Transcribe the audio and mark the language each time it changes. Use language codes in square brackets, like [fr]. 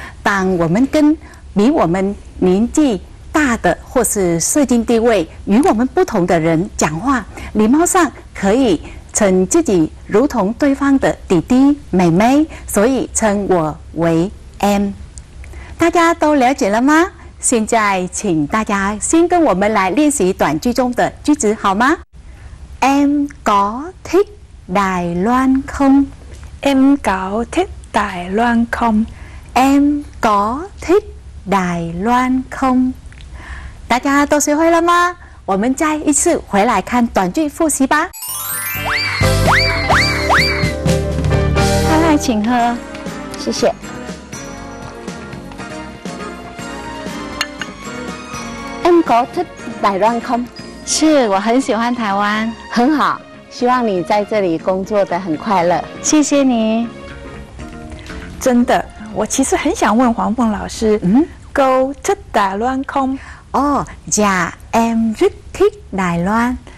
[zh] 当我们跟比我们年纪大的或是社会地位与我们不同的人讲话，礼貌上可以称自己如同对方的弟弟妹妹，所以称我为 M。大家都了解了吗？现在请大家先跟我们来练习短句中的句子好吗？ [vi] Em có thích Đài Loan không? Em có thích Đài Loan không? Em có thích Đài Loan không? [zh] 大家都学会了吗？我们再一次回来看短句复习吧。太太，请喝。谢谢。 [vi] Em có thích Đài Loan không? [zh] 是，我很喜欢台湾。很好，希望你在这里工作得很快乐。谢谢你。真的，我其实很想问黄凤老师， [vi] Go to Đài Loan không? 哦，假 Em rất thích Đài Loan。